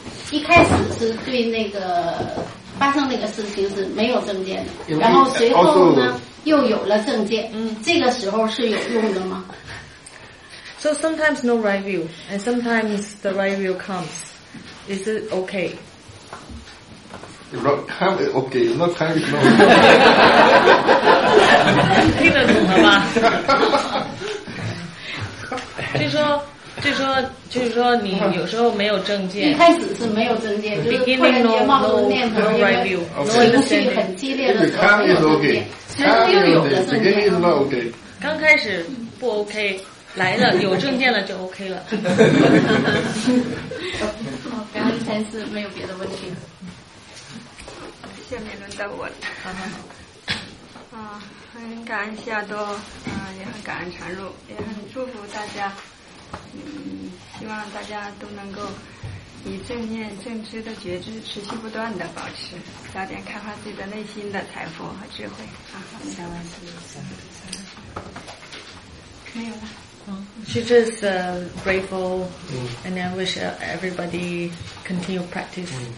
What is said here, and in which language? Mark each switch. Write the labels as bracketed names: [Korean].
[Chinese] 一开始是对那个发生那个事情是没有正见的，然后随后呢又有了正见，这个时候是有用的吗？ [English] So sometimes no right view and sometimes the right view comes. Is it okay? If not time, it's okay. If not time, it's not okay. [Chinese] 听得懂了吗？就是说就是说你有时候没有证件，一开始是没有证件，就是突然间冒出念头，因为情绪很激烈的时候没有证件，其实又有个证件。刚开始不 OK， 来了有证件了就 OK 了。好，然后第三次没有别的问题了，下面轮到我了。好，很感恩夏多，也很感恩禅露，也很祝福大家。希望大家都能够以正念正知的觉知持续不断的保持，早点开发自己的内心的财富和智慧。啊，好，没有了。 [English] She just grateful and I wish everybody continue practice.